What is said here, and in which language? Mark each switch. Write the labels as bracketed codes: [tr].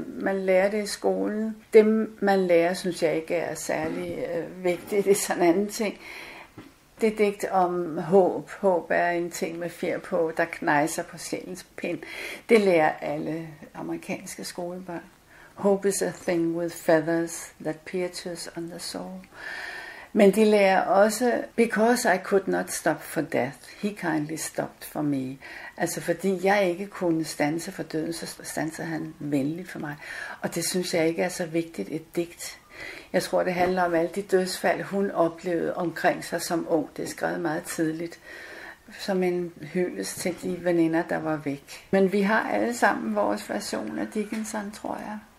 [da] Man lærer det i skolen. Dem, man lærer, synes jeg ikke er særlig vigtigt. Det er sådan en anden ting. Det digt om håb. Håb er en ting med fjer på, der knejser på sjælens pind. Det lærer alle amerikanske skolebørn. [en] Hope is a thing with feathers that pierces on the soul. [da] Men de lærer også, [en] because I could not stop for death, he kindly stopped for me. [da] Altså fordi jeg ikke kunne standse for døden, så standsede han venligt for mig. Og det synes jeg ikke er så vigtigt et digt. Jeg tror, det handler om alle de dødsfald, hun oplevede omkring sig som ung. Det er skrevet meget tidligt, som en hyldest til de veninder, der var væk. Men vi har alle sammen vores version af Dickensen, tror jeg.